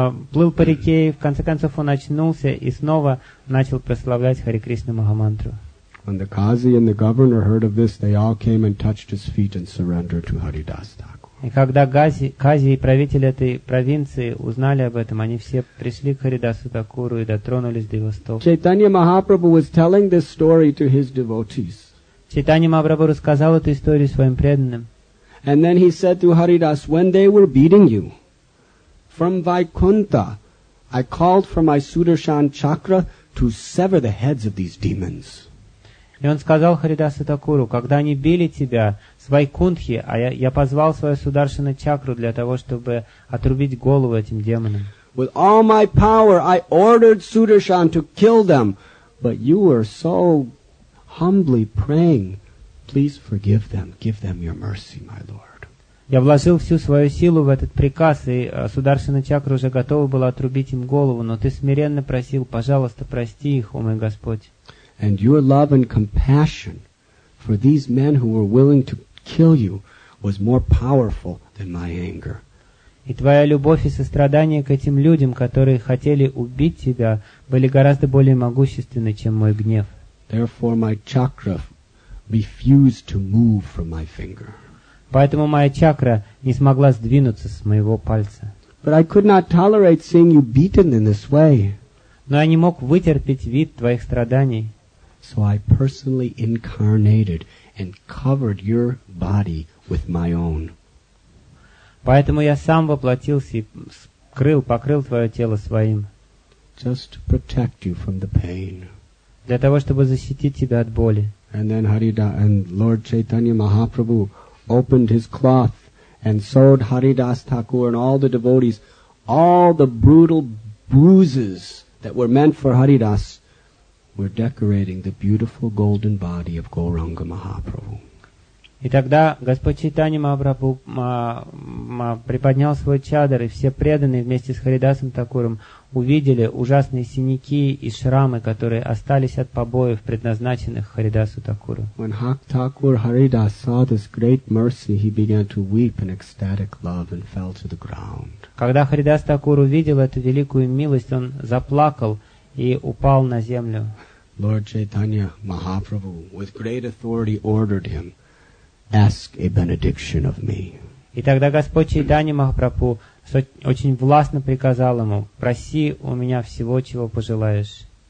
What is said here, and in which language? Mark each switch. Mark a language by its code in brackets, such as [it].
[ru] Плыл по реке, и в конце концов он очнулся и снова начал прославлять Хари Кришна Маха Мантру. [en] When the Qazi and the governor heard of this, they all came and touched his feet and surrendered to Haridas Thakur. [ru] И когда Qazi и правители этой провинции узнали об этом, они все пришли к Харидасу Такуру и дотронулись до его стоп. [en] Chaitanya Mahaprabhu was telling this story to his devotees. [ru] Chaitanya Mahaprabhu рассказал эту историю своим преданным. [en] And then he said to Haridas, when they were beating you, from Vaikuntha, I called for my Sudarshan Chakra to sever the heads of these demons. [ru] И он сказал Харидасу Такуру, когда они били тебя с Вайкунтхи, а я позвал свою Сударшана Чакру для того, чтобы отрубить голову этим демонам. [en] With all my power, I ordered Sudarshan to kill them, but you were so humbly praying. Please forgive them. Give them your mercy, my lord. [ru] Я вложил всю свою силу в этот приказ, и Сударшина Чакра уже готова была отрубить им голову, но ты смиренно просил, пожалуйста, прости их, о мой Господь. [en] And your love and compassion for these men who were willing to kill you was more powerful than my anger. [ru] И твоя любовь и сострадание к этим людям, которые хотели убить тебя, были гораздо более могущественны, чем мой гнев. [en] Therefore, my chakra refused to move from my finger. [ru] Поэтому моя чакра не смогла сдвинуться с моего пальца. [en] But I could not tolerate seeing you beaten in this way. [ru] Но я не мог вытерпеть вид твоих страданий. [en] So I personally incarnated and covered your body with my own. [ru] Поэтому я сам воплотился и покрыл твое тело своим. [en] Just to protect you from the pain. [ru] Для того, чтобы защитить тебя от боли. [en] And then Lord Chaitanya Mahaprabhu opened his cloth and showed Haridas Thakur and all the devotees all the brutal bruises that were meant for Haridas were decorating the beautiful golden body of Gauranga Mahaprabhu. [ru] И тогда Господь Чайтанья Махапрабху приподнял свой чадар, и все преданные вместе с Харидасом Такуром увидели ужасные синяки и шрамы, которые остались от побоев, предназначенных Харидасу Такуру. [en] When Thakur Haridas saw this great mercy, he began to weep in ecstatic love and fell to the ground. [ru] Когда Харидас Такур увидел эту великую милость, он заплакал и упал на землю. [en] Lord Chaitanya Mahaprabhu with great authority ordered him, ask a benediction of me. [ru] И тогда Господь Чайтанья Махапрабху очень властно приказал ему, проси у меня всего, чего пожелаешь.